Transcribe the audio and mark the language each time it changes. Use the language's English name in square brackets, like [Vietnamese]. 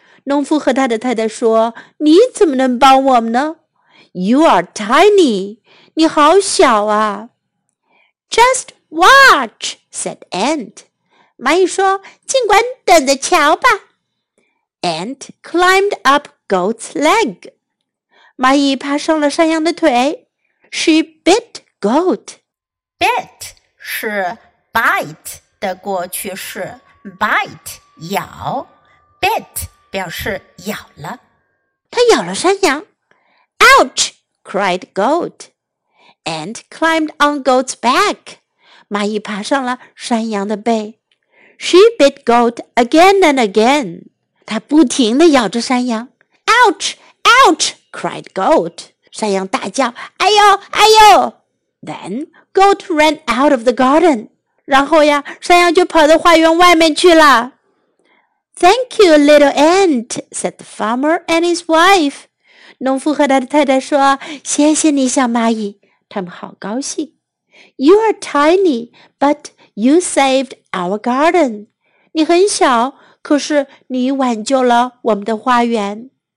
[Chinese] 农夫和他的太太说，你怎么能帮我们呢？ [English] You are tiny. [Chinese] 你好小啊。 [English] Just watch, said Ant. [Chinese] 蚂蚁说，尽管等着瞧吧。 [English] Ant climbed up goat's leg. [Chinese] 蚂蚁爬上了山羊的腿。 [English] She bit goat. [Chinese] Bit 是 bite 的过去式。 Bite, 咬。Bit. 表示咬了。他咬了山羊。 [English] Ouch! Cried goat. Ant climbed on goat's back. [Chinese] 蚂蚁爬上了山羊的背。 [English] She bit goat again and again. [Chinese] 他不停地咬着山羊。 [English] Ouch! Ouch! Cried goat. [Chinese] 山羊大叫，哎呦，哎呦。 [English] Then goat ran out of the garden. [Chinese] 然后呀，山羊就跑到花园外面去了。 [English] Thank you, little ant, said the farmer and his wife. [Chinese] 农夫和他的太太说，谢谢你，小蚂蚁。他们好高兴。 [English] You are tiny, but you saved our garden. [Chinese] 你很小，可是你挽救了我们的花园。